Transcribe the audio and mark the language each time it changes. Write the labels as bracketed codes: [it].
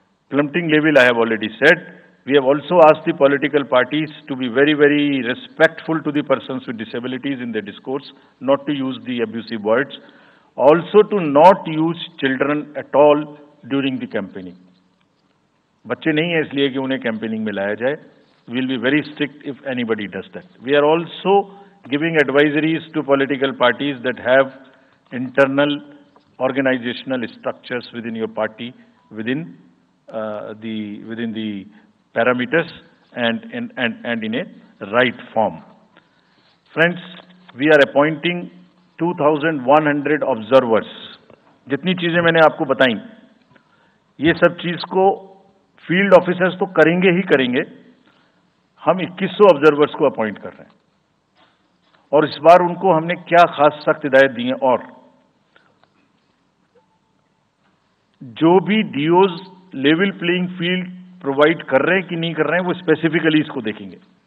[en] प्लम्पटिंग level I have already said, we have also asked the political parties to be very very respectful to the persons with disabilities in the discourse, not to use the abusive words, also to not use children at all during the campaigning. [hi] बच्चे नहीं है इसलिए कि उन्हें campaigning में लाया जाए, [en] will be very strict if anybody does that. We are also giving advisories to political parties that have internal organizational structures within your party within the parameters and in a right form. Friends, we are appointing 2100 observers. [hi] Jitni cheeze maine aapko batayi ye sab cheez ko field officers to karenge hi karenge, हम 2100 observers को appoint कर रहे हैं और इस बार उनको हमने क्या खास सख्त हिदायत दी है, और जो भी डीओज लेवल प्लेइंग फील्ड प्रोवाइड कर रहे हैं कि नहीं कर रहे हैं वो स्पेसिफिकली इसको देखेंगे।